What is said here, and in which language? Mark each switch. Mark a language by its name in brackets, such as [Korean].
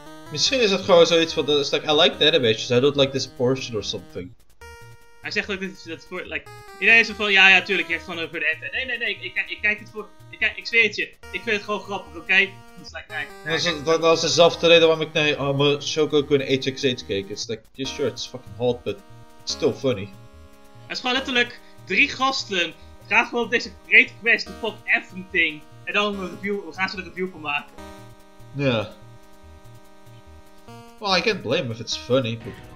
[Dutch] Misschien is het gewoon zoiets van, [English] it's like, I like that a bit, so I don't like this portion or something. [Dutch] Hij zegt ook dat voor, like, iedereen is van, ja, tuurlijk, je hebt gewoon over de app. Nee, ik kijk het voor, ik zweer het je, ik vind het gewoon grappig, oké? [English] Okay? [Dutch] Dat is dezelfde reden waarom ik naar mijn Shokoku en HXH keek. [English] It's like, yeah, sure, it's fucking hot, but it's still funny. [Dutch] Het is gewoon letterlijk, drie gasten gaan gewoon op deze [English] great quest to fuck everything. [Dutch] En dan gaan ze er een review van maken. Ja. Yeah. [English] Well, I can't blame if it's funny, but...